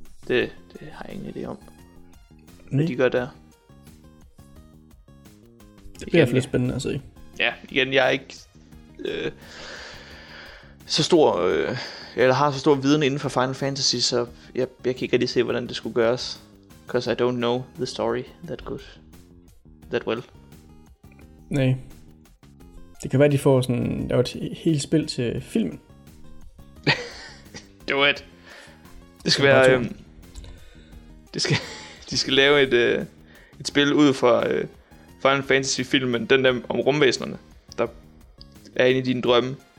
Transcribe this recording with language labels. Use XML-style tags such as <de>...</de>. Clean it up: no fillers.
<da>Det har jeg ingen idé om. Hvad de gør der. Det bliver flere spændende at se. Ja, igen, jeg er ikke... så stor... eller har så stor viden inden for Final Fantasy, så jeg kan ikke lige se, hvordan det skulle gøres.</da> <en>Because I don't know the story that good, that well.</en> <da>Nej. Det kan være, de får sådan et helt spil til filmen.</da> <en>Do it.</en> <da>Det skal være... De skal lave et spil ud fra Final Fantasy-filmen. Den der om rumvæsenerne, der er inde i dine drømme.</da>